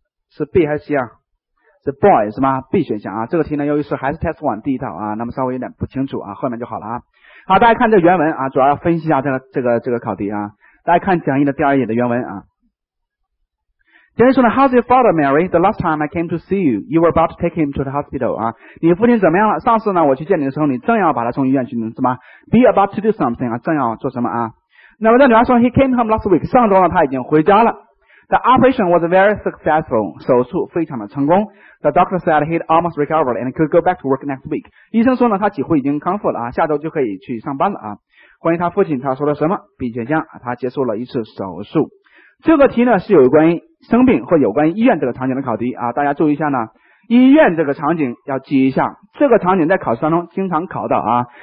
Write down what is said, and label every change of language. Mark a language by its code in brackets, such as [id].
[zh] 是 B 还是 C 啊？是 boy 是吗？B 选项啊。这个题呢，由于是还是 test one 第一套啊，那么稍微有点不清楚啊，后面就好了啊。好，大家看这原文啊，主要要分析一下这个考题啊。大家看讲义的第2页的原文啊。先生说 [en] How's your father, Mary? The last time I came to see you, you were about to take him to the hospital.、 [zh] 啊、你父亲怎么样了上次呢我去见你的时候你正要把他送医院去是吗 [en] Be about to do something,、 [zh] 啊、正要做什么、啊、那么那女儿说 [en] He came home last week, [zh] 上周呢他已经回家了。 [en] The operation was very successful, [zh] 手术非常的成功。 [en] The doctor said he'd almost recovered and could go back to work next week. [zh] 医生说呢他几乎已经康复了、啊、下周就可以去上班了、啊。关于他父亲他说了什么并且将他结束了一次手术。这个题呢是有关于生病或有关于医院这个场景的考题啊，大家注意一下呢，医院这个场景要记一下，这个场景在考试当中经常考到啊。